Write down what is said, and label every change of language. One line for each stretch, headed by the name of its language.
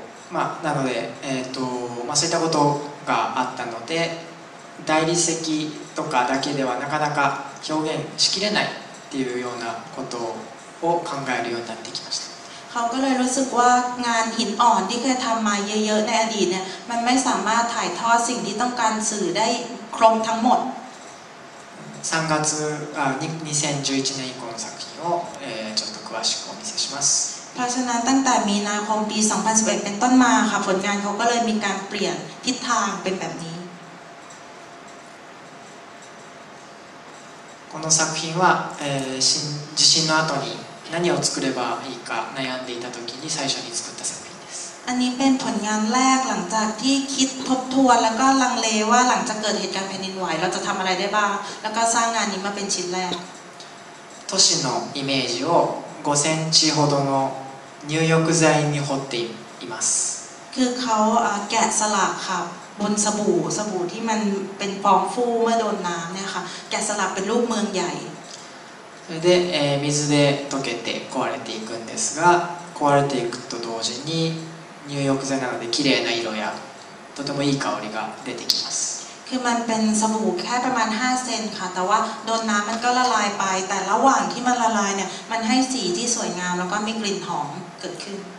Japanese: まあ、なので、まあ、そういったことがあったので大理石とかだけではなかなか表現しきれないっていうようなことを考えるようになってきました。
Thai: เขาก็เลยรู้สึกว่างานหินอ่อนที่เคยทำมาเยอะๆในอดีตเนี่ยมันไม่สามารถถ่ายทอดสิ่งที่ต้องการสื่อได้ครบทั้งหมด
Japanese: 3月2011年以降の作品を、ちょっと詳しくお見せします。
Thai: เพราะฉะนั้นตั้งแต่มีนาคมปี2011เป็นต้นมาค่ะผลงานเขาก็เลยมีการเปลี่ยนทิศทางเป็นแบบนี้
Japanese: この作品は地震の後に何を作ればいいか悩んでいた時に最初に作った作品です。
Thai: อันนี้เป็นผลงานแรกหลังจากที่คิดทบทวนแล้วก็ลังเลว่าหลังจากเกิดเหตุการณ์แผ่นดินไหวเราจะทำอะไรได้บ้างแล้วก็สร้างงานนี้มาเป็นชิ้นแรก
Japanese: 都市のイメージを5センチほどの入浴剤に彫っています。
Thai: คือเขาแกะสลักค่ะบนสบู่สบู่ที่มันเป็นฟองฟูเมื่อโดนน้ำเนี่ยค่ะแกะสลักเป็นรูปเมืองใหญ่。
Japanese: それで水で溶けて壊れていくんですが、壊れていくと同時に入浴剤なので綺麗な色やとてもいい香りが出てきます。
Thai: คือมันเป็นสบู่แค่ประมาณ5เซนค่ะแต่ว่าโดนน้ำมันก็ละลายไปแต่ระหว่างที่มันละลายเนี่ยมันให้สีที่สวยงามแล้วก็มีกลิ่นหอมเกิดขึ้น